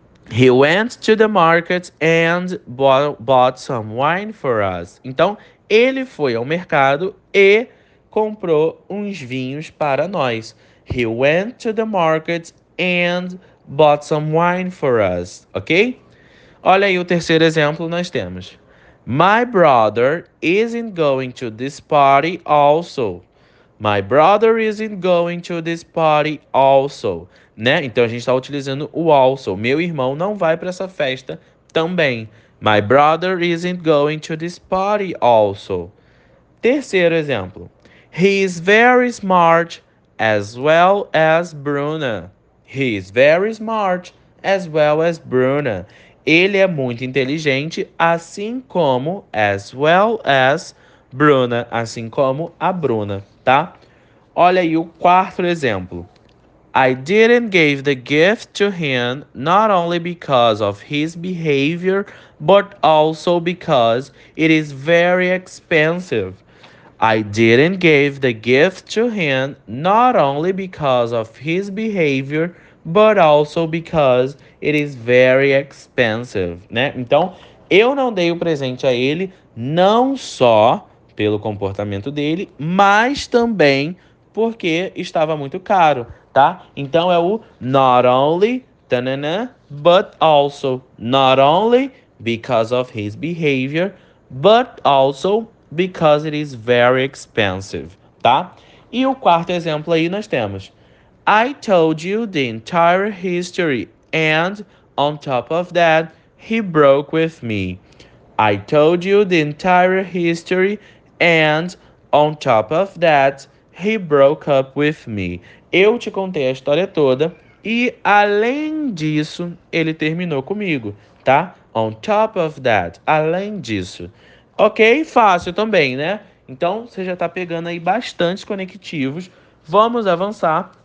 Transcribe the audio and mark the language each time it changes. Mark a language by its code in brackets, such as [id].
[en] He went to the market and bought some wine for us. [pt] Então, ele foi ao mercado e comprou uns vinhos para nós. [en] He went to the market and bought some wine for us, ok? [pt] Olha aí o terceiro exemplo nós temos. [en] My brother isn't going to this party also. My brother isn't going to this party also, né? [pt] Então a gente está utilizando o also. Meu irmão não vai para essa festa também. [en] My brother isn't going to this party also. [pt] Terceiro exemplo. [en] He is very smart. As well as Bruna. He is very smart as well as Bruna. [pt] Ele é muito inteligente, assim como [en] as well as Bruna, [pt] assim como a Bruna, tá? Olha aí o quarto exemplo. [en] I didn't give the gift to him not only because of his behavior, but also because it is very expensive. I didn't give the gift to him not only because of his behavior, but also because it is very expensive, né? [pt] Então, eu não dei o presente a ele não só pelo comportamento dele, mas também porque estava muito caro, tá? Então é o [en] not only, ta-na-na, but also, not only because of his behavior, but also because it is very expensive, tá? [pt] E o quarto exemplo aí nós temos. [en] I told you the entire history and on top of that, he broke with me. I told you the entire history and on top of that, he broke up with me. [pt] Eu te contei a história toda e além disso, ele terminou comigo, tá? [en] On top of that, [pt] além disso. Ok, fácil também, né? Então você já está pegando aí bastante conectivos. Vamos avançar.